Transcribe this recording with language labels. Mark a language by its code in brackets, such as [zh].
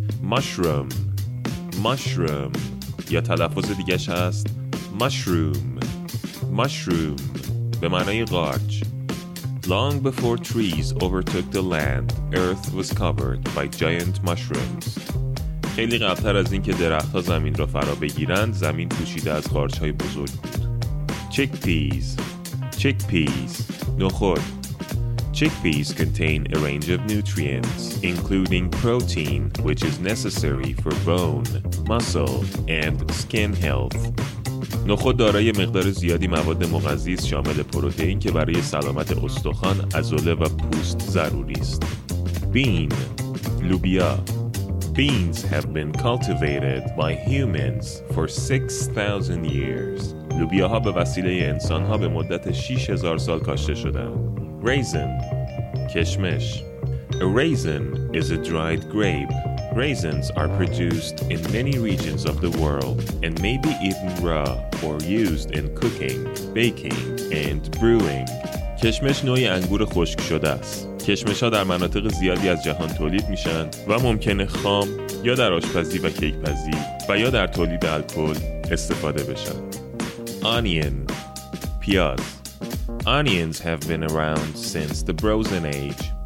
[fa] مشروم، مشروم، یا تلفظ دیگه‌ش هست مشروم، مشروم، به معنی قارچ. [en] Long before trees overtook the land, earth was covered by giant mushrooms. [fa] خیلی قبل‌تر از اینکه درخت‌ها زمین را فرا بگیرند، زمین پوشیده از قارچ‌های بزرگ بود. [en] Chickpeas. Chickpeas. نخود. Chickpeas contain a range of nutrients, including protein, which is necessary for bone, muscle, and skin health. [fa] نخود دارای مقدار زیادی مواد مغذی است، شامل پروتئین که برای سلامت استخوان، عضله و پوست ضروری است. [en] Bean. لوبیا. Beans have been cultivated by humans for 6,000 years. [fa] لوبیاها به وسیله انسان‌ها به مدت 6,000 سال کاشته شدند. [en] Raisin. کشمش. A raisin is a dried grape. Raisins are produced in many regions of the world and may be eaten raw or used in cooking, baking, and brewing. [fa] کشمش نوعی انگور خشک شده است. کشمش‌ها در مناطق زیادی از جهان تولید می‌شوند و ممکنه خام یا در آشپزی و کیک‌پزی و یا در تولید الکل استفاده بشن. [en] Onion. پیاز. Onions have been around since the Bronze Age.